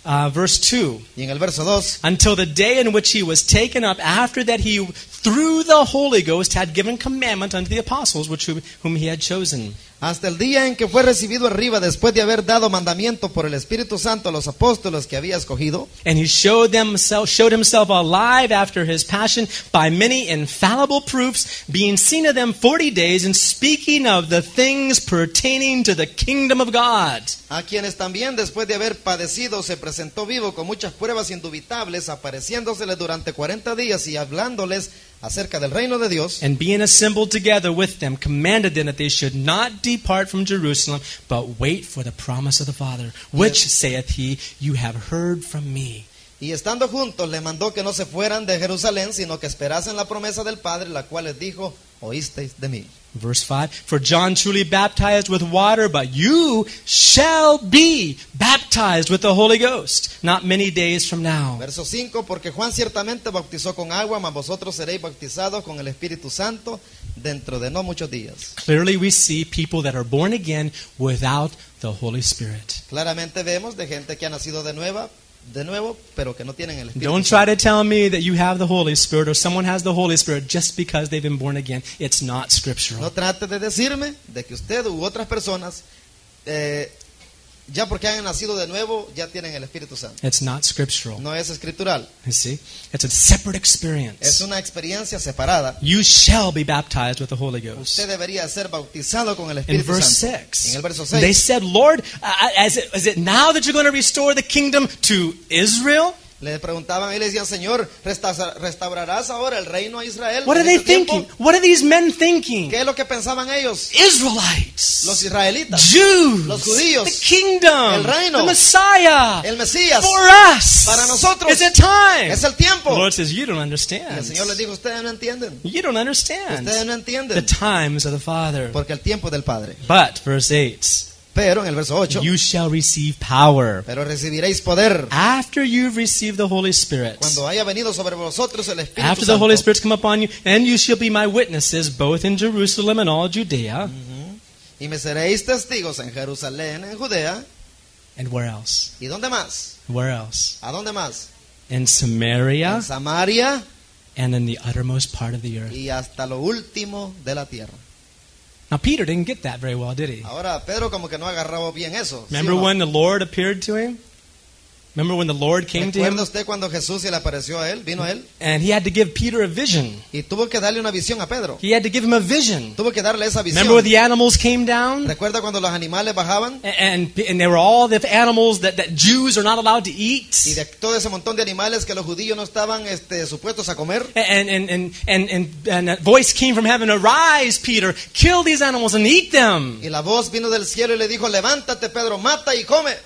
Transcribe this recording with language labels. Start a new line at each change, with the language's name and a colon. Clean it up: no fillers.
English: Verse 2, until the day in which he was taken up, after that he, through the Holy Ghost, had given commandment unto the apostles which whom he had chosen.
Spanish: Hasta el día en que fue recibido arriba, después de haber dado mandamiento por el Espíritu Santo a los apóstoles que había escogido.
English: And he showed himself alive after his passion by many infallible proofs, being seen of them 40 days and speaking of the things pertaining to the kingdom of God.
Spanish: A quienes también después de haber padecido se presentó vivo con muchas pruebas indubitables, apareciéndoseles durante 40 días y hablándoles acerca del reino de Dios.
English: And being assembled together with them, commanded them that they should not depart from Jerusalem, but wait for the promise of the Father, which, saith he, you have heard from me.
Spanish: Y estando juntos, le mandó que no se fueran de Jerusalén, sino que esperasen la promesa del Padre, la cual les dijo, oísteis de mí.
English: Verse 5, for John truly baptized with water, but you shall be baptized with the Holy Ghost, not many days from now.
Spanish: Verso 5, porque Juan ciertamente bautizó con agua, mas vosotros seréis bautizados con el Espíritu Santo dentro de no muchos días.
English: Clearly we see people that are born again without the Holy Spirit.
Spanish: Claramente vemos de gente que ha nacido de nueva. De nuevo, pero que no tienen el Espíritu.
English: Don't try to tell me that you have the Holy Spirit or someone has the Holy Spirit just because they've been born again. It's not scriptural.
Spanish: No trate de decirme de que usted u otras personas ya porque han nacido de nuevo ya tienen el Espíritu Santo.
English: It's not scriptural.
Spanish: No es escritural.
English: You see? It's a separate experience.
Spanish: Es una experiencia separada.
English: You shall be baptized with the Holy Ghost.
Spanish: Usted debería ser bautizado con el Espíritu Santo.
English: In verse 6.
Spanish: En el verso 6.
English: They said, Lord, is it now that you're going to restore the kingdom to Israel?
Spanish: Le preguntaban y le decían, Señor, ¿restaurarás ahora el reino a Israel?
English: What are they thinking? What are these men thinking?
Spanish: ¿Qué es lo que pensaban ellos?
English: Israelites.
Spanish: Los israelitas.
English: Jews.
Spanish: Los judíos.
English: The kingdom.
Spanish: El reino.
English: The Messiah.
Spanish: El Mesías.
English: For us.
Spanish: Para nosotros.
English: It's a time.
Spanish: Es el tiempo.
English: The Lord says, you don't understand.
Spanish: Y el Señor les dijo, ustedes no entienden.
English: You don't understand.
Spanish: Ustedes no entienden.
English: The times of the Father.
Spanish: Porque el tiempo del Padre.
English: But, verse 8.
Spanish: Pero en el verso 8,
English: you shall receive power.
Spanish: Pero recibiréis poder.
English: After you've received the Holy Spirit.
Spanish: Cuando haya venido sobre vosotros el Espíritu
English: After
Spanish: Santo.
English: The Holy Spirit's come upon you, and you shall be my witnesses both in Jerusalem and all Judea.
Spanish: Y me seréis testigos en Jerusalén, en Judea.
English: And where else?
Spanish: ¿Y dónde más?
English: Where else?
Spanish: ¿A dónde más?
English: In Samaria.
Spanish: En Samaria.
English: And in the uttermost part of the earth.
Spanish: Y hasta lo último de la tierra.
English: Now Peter didn't get that very well, did he?
Spanish: Ahora Pedro como que no agarraba bien eso.
English: Remember when the Lord appeared to him? Remember when the Lord came to him?
Spanish: ¿Recuerda usted cuando Jesús se le apareció a él, vino a él?
English: And he had to give Peter a vision.
Spanish: Y tuvo que darle una visión a Pedro.
English: He had to give him a vision.
Spanish: Tuvo que darle esa visión.
English: Remember when the animals came down?
Spanish: ¿Recuerda cuando los animales bajaban?
English: And there were all the animals that Jews are not allowed to eat.
Spanish: Y de todo ese montón de animales que los judíos no estaban supuestos a comer.
English: And a voice came from heaven, arise, Peter, kill these animals and eat them.
Spanish: Y la voz vino del cielo y le dijo, levántate, Pedro, mata y come.